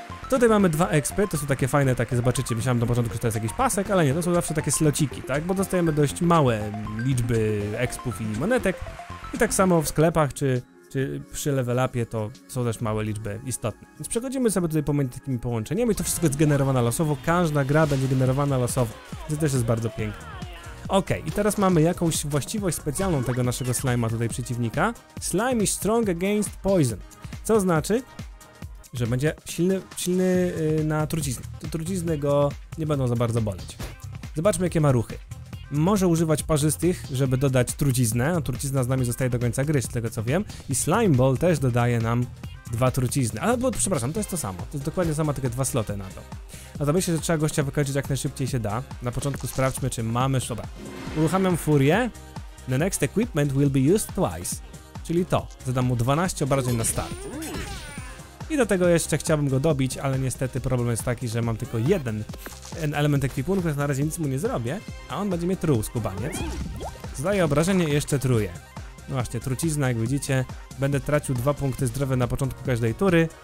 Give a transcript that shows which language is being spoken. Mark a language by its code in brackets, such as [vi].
[pl] Tutaj mamy 2 expy, to są takie fajne, takie zobaczycie, myślałem na początku, że to jest jakiś pasek, ale nie, to są zawsze takie slociki, tak, bo dostajemy dość małe liczby expów i monetek. I tak samo w sklepach czy czy przy level upie, to są też małe liczby istotne. Więc przechodzimy sobie tutaj pomiędzy takimi połączeniami, to wszystko jest generowane losowo, każda gra będzie generowana losowo, to też jest bardzo piękne. Okej, i teraz mamy jakąś właściwość specjalną tego naszego slime'a tutaj przeciwnika. [en] Slime is strong against poison. [pl] Co znaczy, że będzie silny na truciznę. Te trucizny go nie będą za bardzo boleć. Zobaczmy, jakie ma ruchy. Może używać parzystych, żeby dodać truciznę. Trucizna z nami zostaje do końca gry, z tego co wiem. I slime ball też dodaje nam dwa trucizny. Ale przepraszam, to jest to samo. To jest dokładnie samo, tylko dwa sloty na to. A to myślę, że trzeba gościa wykończyć jak najszybciej się da. Na początku sprawdźmy, czy mamy szobę. Uruchamiam furię. [en] The next equipment will be used twice. [pl] Czyli to. Zadam mu 12 obrażeń na start. I do tego jeszcze chciałbym go dobić, ale niestety problem jest taki, że mam tylko jeden element ekwipunku, więc na razie nic mu nie zrobię. A on będzie mnie truł, skubaniec. Zdaję obrażenie i jeszcze truję. No właśnie, trucizna, jak widzicie. Będę tracił 2 punkty zdrowia na początku każdej tury.